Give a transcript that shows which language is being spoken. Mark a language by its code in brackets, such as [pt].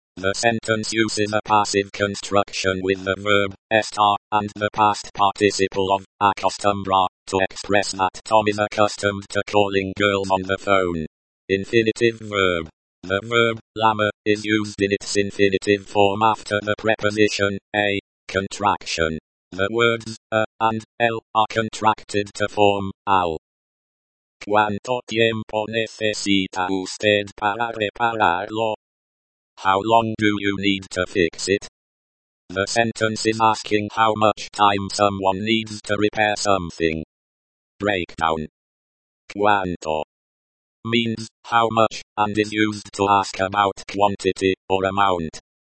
[en] The sentence uses a passive construction with the verb estar and the past participle of acostumbra to express that Tom is accustomed to calling girls on the phone. Infinitive verb. The verb lama is used in its infinitive form after the preposition a, contraction. The words a and l are contracted to form al. [es] ¿Cuánto tiempo necesita usted para repararlo? [en] How long do you need to fix it? The sentence is asking how much time someone needs to repair something. Breakdown. ¿Cuánto? Means how much, and is used to ask about quantity or amount.